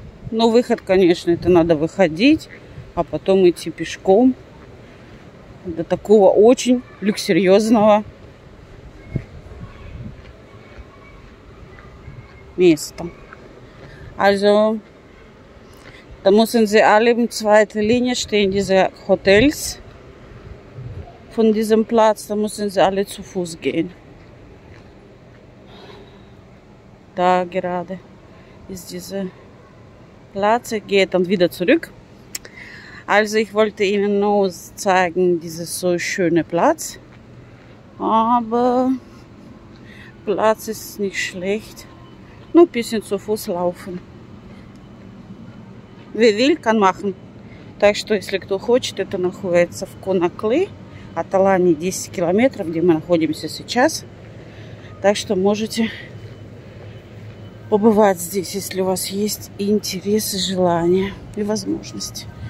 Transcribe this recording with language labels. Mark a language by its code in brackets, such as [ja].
[ru] Но выход, конечно, это надо выходить, а потом идти пешком до такого очень люксерьезного места. [de] Also, da müssen Sie alle in zweiter Linie stehen, diese Hotels. Von diesem Platz, da müssen Sie alle zu Fuß gehen. Da gerade ist diese Platz, geht dann wieder zurück. Also ich wollte Ihnen nur zeigen, dieses so schöne Platz. Aber Platz ist nicht schlecht. Nur ein bisschen zu Fuß laufen. Wer will, kann machen. [ru] Так что, если кто хочет, это находится в Конаклы. От Алании 10 километров, где мы находимся сейчас. Так что можете побывать здесь, если у вас есть интересы, желания и возможности.